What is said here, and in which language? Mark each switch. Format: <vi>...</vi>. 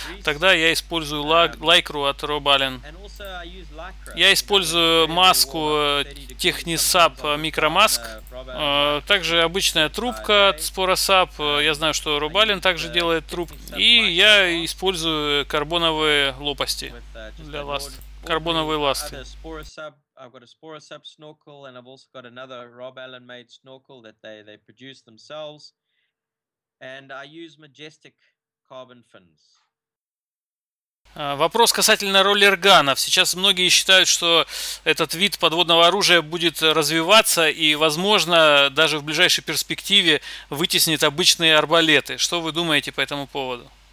<ru>Тогда я использую лайкру от Robalen. Я использую маску Technisap MicroMask. Также обычная трубка от Sporosap. Я знаю, что Robalen также делает труб. И я использую карбоновые лопасти для ласт. Карбоновые ласты.</ru> <en>I've got a Sporosap snorkel, and I've also got another Rob Allen made snorkel that they produce themselves. And I use Majestic carbon fins.</en> <ru>Вопрос касательно роллерганов. Сейчас многие считают, что этот вид подводного оружия будет развиваться и, возможно, даже в ближайшей перспективе вытеснит обычные арбалеты. Что вы думаете по этому поводу?</ru>